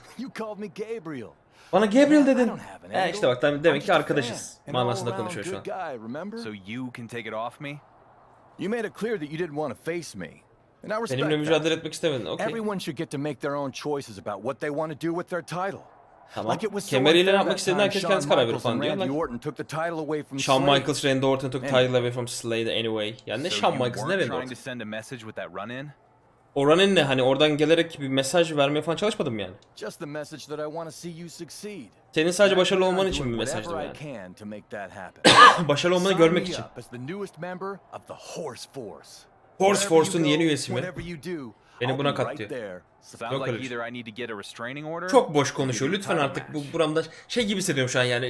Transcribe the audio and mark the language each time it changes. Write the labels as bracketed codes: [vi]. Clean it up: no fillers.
[en] You called me Gabriel. [tr] Bana Gabriel dedin. İşte bak, demek ki arkadaşız. Manasında konuşuyor şu an. Guy, [en] so you can take it off me. You made it clear that you didn't want to face me. And I respect. [tr] Benimle mücadele etmek istemedin. [en] Okay. Everyone should get to make their own choices about what they want to do with their title. [tr] Tamam. [en] Like it was [tr] kemeriyle ne yapmak istediğini herkes kendisi karar verir falan diyor. [en] Shawn Michaels, Randy Orton took the title away from Slade anyway. [tr] Yani ne so Shawn Michaels, ne Randy Orton? Run-in? O run-in ne? Hani oradan gelerek bir mesaj vermeye falan çalışmadım yani? [en] Just the message that I want to see you succeed. [tr] Senin sadece başarılı olman için bir mesajdı bu yani? Başarılı olmanı görmek için. Horse Force'un yeni üyesi mi? Beni buna kat diyor. Çok karışık. Çok boş konuşuyor. Lütfen artık bu buramda şey gibi hissediyorum şu an yani.